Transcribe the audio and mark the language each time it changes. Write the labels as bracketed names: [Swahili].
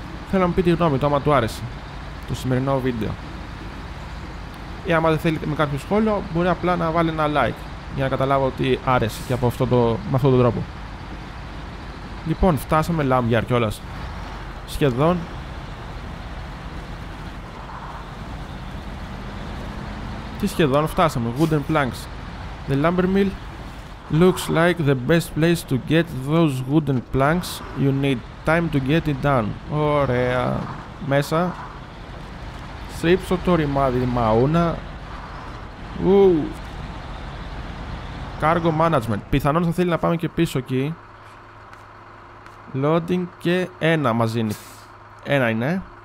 [Greek] Θέλω να μου πείτε τη γνώμη του άμα του άρεσε το σημερινό βίντεο. Ή άμα δεν θέλετε με κάποιο σχόλιο, μπορεί απλά να βάλει ένα like για να καταλάβω ότι άρεσε και από αυτό με αυτόν τον τρόπο. Λοιπόν, φτάσαμε Lumber κιόλας. Σχεδόν. Τι σχεδόν φτάσαμε, [English] wooden planks. The lumber mill looks like the best place to get those wooden planks. You need time to get it done. [Greek] Ωραία. Μέσα. Στρίψω το ρημάδι μαούνα. Cargo management. Πιθανόν θα θέλει να πάμε και πίσω εκεί. Loading και ένα μαζί είναι. Ένα είναι.